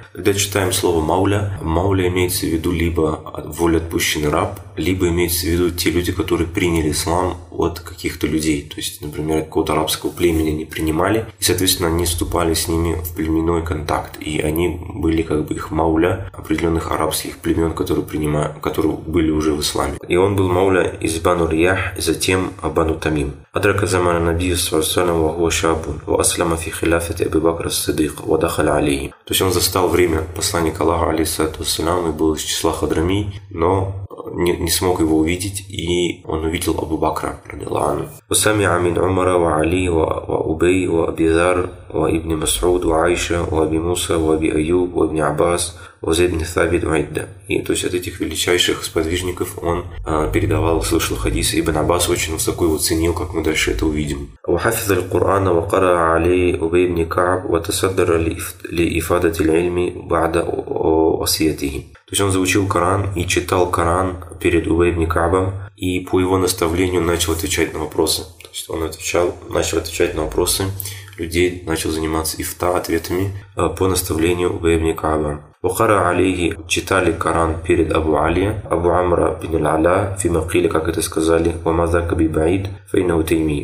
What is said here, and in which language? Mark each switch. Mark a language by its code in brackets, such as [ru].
[ru] Когда читаем слово мауля, мауля имеется в виду либо воля отпущенный раб, либо имеется в виду те люди, которые приняли ислам от каких-то людей. То есть, например, какого-то арабского племени не принимали, и, соответственно, они вступали с ними в племенной контакт. И они были как бы их мауля определенных арабских племен, которые были уже в исламе. И он был мауля из Бану Риях, затем Бану Тамим. [ar] أدرك زمان النبي صلى الله عليه وسلم وهو شاب وأسلم في خلافة أبي بكر الصديق ودخل عليه. [ru] То есть он застал время посланника Аллаха алейхиссалату вассалям и был из числа хадрами, но не смог его увидеть, и он увидел Абу Бакра радиаллаху анху. [ar] وسمع من عمر وعلي وأبي وأبي ذر وابن مسعود وعائشة وأبي موسى وأبي أيوب وابن عباس وزيد بن ثابت وعدة. [ru] И то есть от этих величайших сподвижников он передавал, слышал хадисы. Ибн Аббас очень высоко его ценил, как мы дальше это увидим. [ar] وحفظ القرآن وقرأ عليه أبي بن كعب وتصدر لإفادة العلم بعد وصيته. [ru] То есть он заучил Коран и читал Коран перед Убей ибн Каабом и по его наставлению начал отвечать на вопросы. То есть он начал отвечать на вопросы людей, начал заниматься ифта ответами по наставлению Убей ибн Кааба. Ухара алейхи читали Коран перед Абу Али, Абу Амра бин Аля, фимакили, как это сказали, вамазака би баид, фейна у тайми.